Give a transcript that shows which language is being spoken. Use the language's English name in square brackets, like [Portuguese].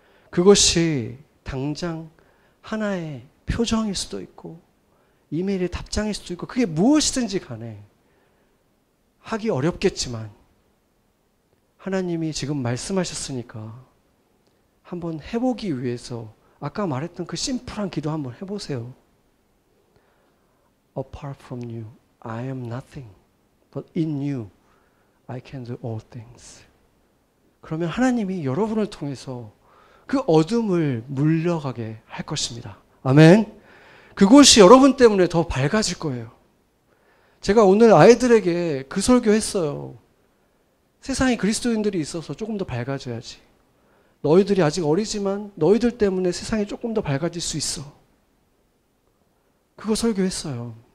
[Korean] 그것이 당장 하나의 표정일 수도 있고, 이메일의 답장일 수도 있고, 그게 무엇이든지 간에 하기 어렵겠지만, 하나님이 지금 말씀하셨으니까 한번 해보기 위해서 아까 말했던 그 심플한 기도 한번 해보세요. [English] Apart from you, I am nothing. But in you, I can do all things. [Korean] 그러면 하나님이 여러분을 통해서 그 어둠을 물러가게 할 것입니다. 아멘. 그곳이 여러분 때문에 더 밝아질 거예요. 제가 오늘 아이들에게 그 설교했어요. 세상에 그리스도인들이 있어서 조금 더 밝아져야지. 너희들이 아직 어리지만 너희들 때문에 세상이 조금 더 밝아질 수 있어. 그거 설교했어요.